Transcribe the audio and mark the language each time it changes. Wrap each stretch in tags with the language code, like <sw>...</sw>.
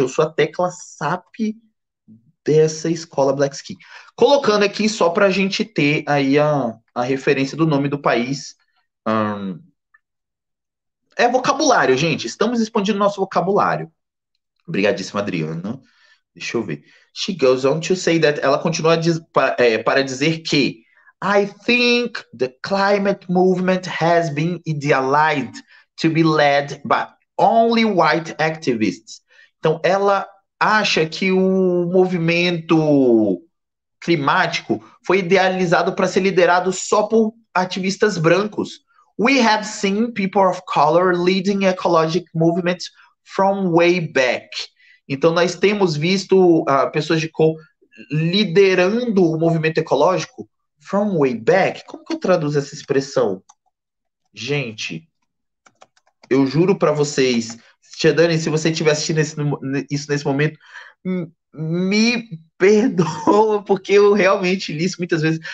<pt>Eu sou a tecla SAP dessa escola Black Skin. Colocando aqui só para a gente ter aí a referência do nome do país. É vocabulário, gente. Estamos expandindo nosso vocabulário. Obrigadíssima, Adriana. Deixa eu ver.</pt> <en>She goes on to say that.</en> <pt>Ela continua para dizer que</pt> <en>I think the climate movement has been idealized to be led by only white activists.</en> <pt>Então, ela acha que o movimento climático foi idealizado para ser liderado só por ativistas brancos.</pt> <en>We have seen people of color leading ecologic movements from way back.</en> <pt>Então, nós temos visto pessoas de cor liderando o movimento ecológico</pt> <en>from way back.</en> <pt>Como que eu traduzo essa expressão? Gente, eu juro para vocês, Tia Dani, se você estiver assistindo isso nesse momento, me perdoa, porque eu realmente li isso muitas vezes.</pt>